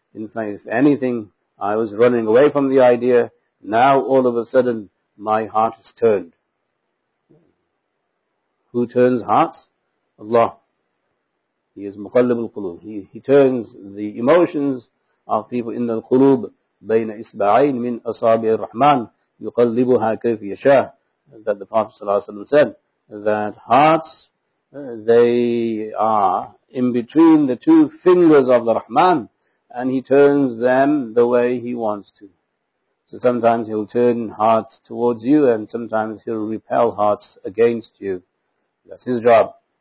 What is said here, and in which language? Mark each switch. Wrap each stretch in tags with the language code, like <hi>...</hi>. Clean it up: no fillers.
<en>In fact, if anything, I was running away from the idea. Now, all of a sudden, my heart is turned. Who turns hearts? Allah. He is Muqallib al-Qulub. He turns the emotions of people in the Qulub.</en> <ar>بين إسبعين من أصابع الرحمن يقلبها كيف يشاء.</ar> <en>That the Prophet</en> <ar>صلى الله عليه وسلم</ar> <en>said that hearts, they are in between the two fingers of the Rahman, and he turns them the way he wants to. So sometimes he'll turn hearts towards you, and sometimes he'll repel hearts against you. That's his job.</en>